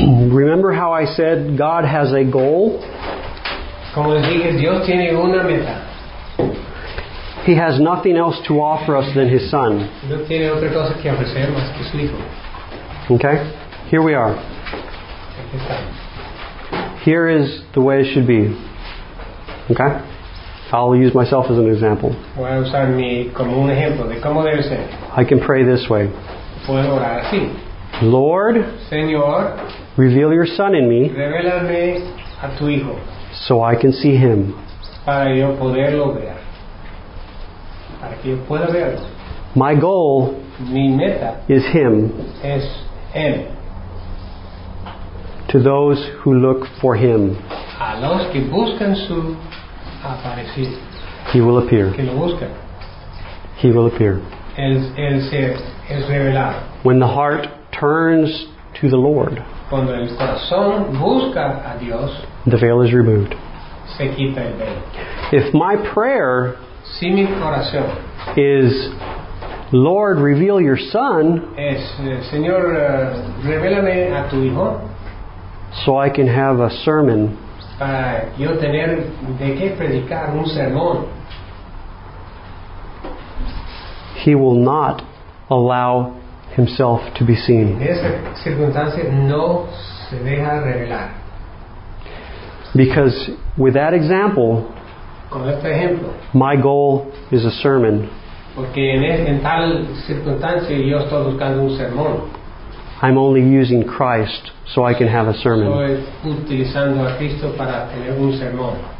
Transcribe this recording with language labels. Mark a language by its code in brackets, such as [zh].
[en] Remember how I said God has a goal? [es] Como les dije, Dios tiene una meta. [en] He has nothing else to offer us than his son. [es] No tiene otra cosa que ofrecer más que su hijo. [en] Okay. Here we are. [es] Aquí estamos. [en] Here is the way it should be. Okay? I'll use myself as an example. [es] Voy a usar mi como un ejemplo de cómo debe ser. [en] I can pray this way. [es] Puedo orar así. [en] Lord, [es] Señor, [en] reveal your son in me. [es] Revélame a tu hijo. [en] So I can see him. [es] Para yo poderlo ver. Para que yo pueda verlo. [en] My goal, [es] mi meta, [en] is him. [es] Es él. [en] To those who look for him. [es] A los que buscan su aparecer. [en] He will appear. [es] Que lo busca. [en] He will appear. [es] El ser es revelado. [en] When the heart turns to the Lord. [es] Cuando el corazón busca a Dios. [en] The veil is removed. [es] Se quita el velo. [en] If my prayer. [es] Si mi corazón. [en] Is Lord reveal your son. [es] Es Señor revélame a tu hijo. [en] So I can have a sermon. [es] Yo tener de qué predicar un sermón. [en] He will not allow himself to be seen. [es] En esa circunstancia no se deja revelar. [en] Because with that example, [es] con este ejemplo, [en] my goal is a sermon. [es] Porque en tal circunstancia yo estoy buscando un sermón. [en] I'm only using Christ so I can have a sermon. [es] Estoy utilizando a Cristo para tener un sermón.